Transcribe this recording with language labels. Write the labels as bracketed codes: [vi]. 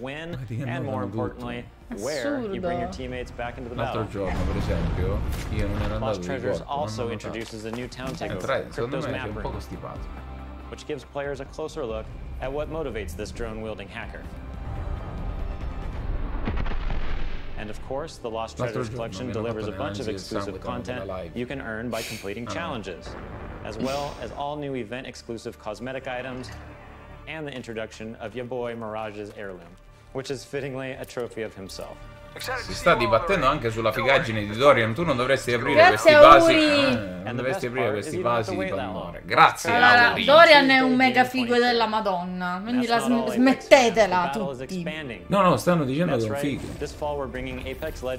[it] Un altro giorno, per esempio, io non ero andato di corto, secondo me è un po' costipato. [en] Which gives players a closer look at what motivates this drone-wielding hacker. And of course, the Lost Treasures collection delivers a bunch of exclusive content you can earn by completing challenges, as well as all new event exclusive cosmetic items and the introduction of your boy Mirage's heirloom, which is fittingly a trophy of himself. [it] Si sta dibattendo anche sulla figaggine di Dorian. Tu non dovresti aprire questi vasi di Pandora. Grazie, allora, Dorian è un mega figo della Madonna. Quindi la smettetela tutti. No, no, stanno dicendo che è un figo.